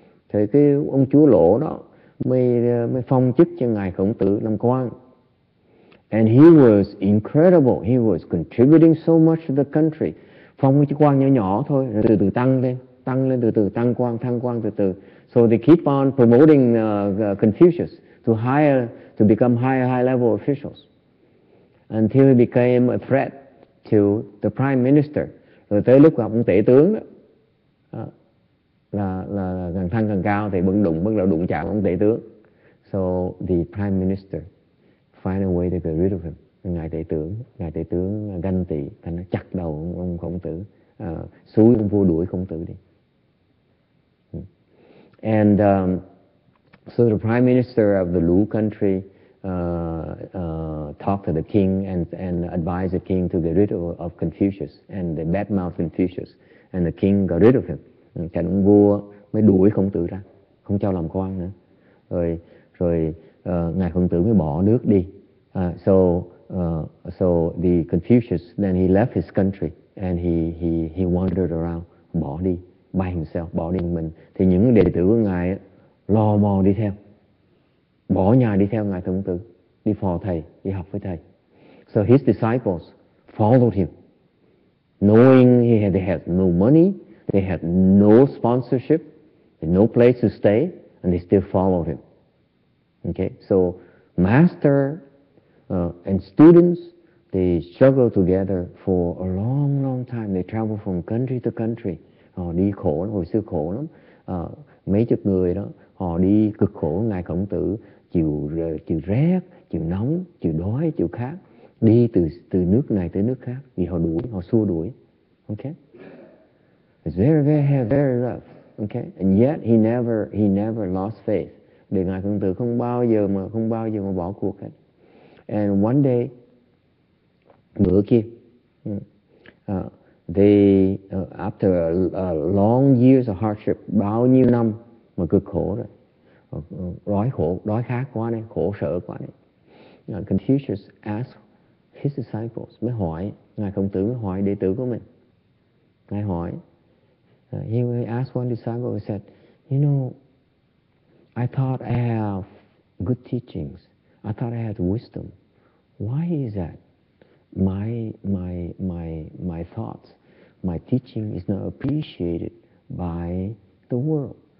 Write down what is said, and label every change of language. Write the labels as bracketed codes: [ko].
[vi] Thế cái ông chúa Lỗ đó mới phong chức cho ngài Khổng Tử làm quan. [en] And he was incredible. He was contributing so much to the country. [vi] Phong cái quan nhỏ nhỏ thôi, rồi từ từ tăng lên từ từ tăng quan từ từ. [en] So they keep on promoting Confucius to become higher level officials. Until he became a threat to the prime minister. [vi] Rồi tới lúc gặp ông tể tướng đó, là càng thăng càng cao thì bắt đầu đụng chạm ông tể tướng. [en] So the prime minister find a way to get rid of him. [vi] Ngài tể tướng ganh tị, thì nó chặt đầu ông Khổng Tử, xúi ông vua đuổi Khổng Tử đi. [en] And so the prime minister of the Lu country talked to the king and advised the king to get rid of Confucius, and they badmouthed Confucius, and the king got rid of him. [vi] Chẳng ông vua mới đuổi Khổng Tử ra, không cho làm quan nữa. Rồi ngài Khổng Tử mới bỏ nước đi. [en] So the Confucius then he left his country and he wandered around, [vi] bỏ đi [en] by himself, [vi] bỏ đi mình. Thì những đệ tử của ngài lo mò đi theo, bỏ nhà đi theo ngài Khổng Tử, đi phò thầy, đi học với thầy. [en] So his disciples followed him, knowing they had no money, they had no sponsorship, no place to stay, and they still followed him. Okay, so master and students, they struggle together for a long, long time. They travel from country to country. [vi] Họ đi khổ lắm, hồi xưa khổ lắm. Mấy chục người đó, họ đi cực khổ. Ngài Khổng Tử chịu rét, chịu nóng, chịu đói, chịu khát. Đi từ nước này tới nước khác vì họ đuổi, họ xua đuổi. [en] Okay. It's very, very, very rough. Okay. And yet he never lost faith. [vi] Để ngài Khổng Tử không bao giờ mà bỏ cuộc hết. [en] And one day, [vi] bữa kia, [en] after a long years of hardship, [vi] bao nhiêu năm mà cực khổ rồi, đói khổ, đói khát quá này, khổ sở quá này. [en] Confucius asked his disciples, [vi] mới hỏi, ngài Khổng Tử mới hỏi đệ tử của mình. Ngài hỏi, [en] he asked one disciple, he said, you know, I thought I have good teachings. I thought I had wisdom. Why is that? My thoughts, my teaching is not appreciated by the world.